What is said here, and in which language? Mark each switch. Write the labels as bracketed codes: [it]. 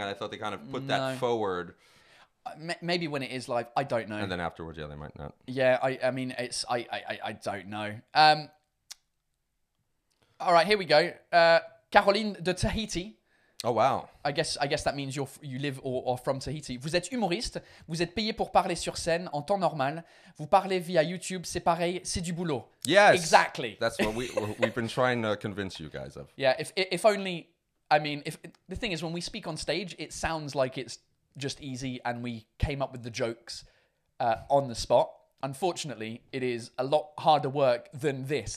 [en] And I thought they kind of put that forward. Maybe when it is live, I don't know. And then afterwards, yeah, they might not. Yeah, I don't know. All right, here we go. Caroline de Tahiti. Oh, wow. I guess that means you live or are from Tahiti. [fr] Vous êtes humoriste, vous êtes payé pour parler sur scène en temps normal, vous parlez via YouTube, c'est pareil, c'est du boulot. [en] Yes. Exactly. That's what we've been trying to convince you guys of. Yeah, if only, I mean, if the thing is, when we speak on stage, it sounds like it's just easy and we came up with the jokes on the spot. Unfortunately, it is a lot harder work than this.